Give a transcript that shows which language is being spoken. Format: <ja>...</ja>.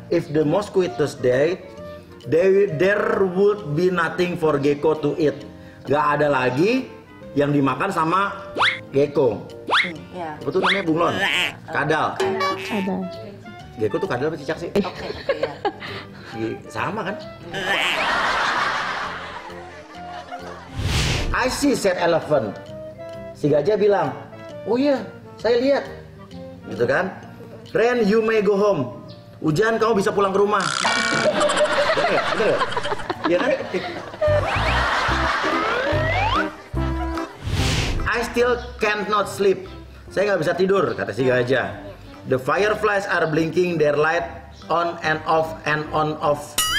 <en>If the mosquitoes died, there would be nothing for gecko to eat.</en> <id>Gak ada lagi yang dimakan sama gecko. Iya. Betul namanya bunglon. Kadal. Kadal. Gecko tuh kadal apa cicak sih? Oke, iya. Sama kan?</id> <en>I see, said elephant.</en> <id>Si gajah bilang, oh iya, saya lihat. Gitu kan?</id> <en>Rain, you may go home.</en> <id>Hujan, kamu bisa pulang ke rumah. Bener gak? Iya kan?</id> <en>I still can't not sleep.</en> <id>Saya gak bisa tidur, kata si gajah.</id> <en>The fireflies are blinking their light on and on off.</en>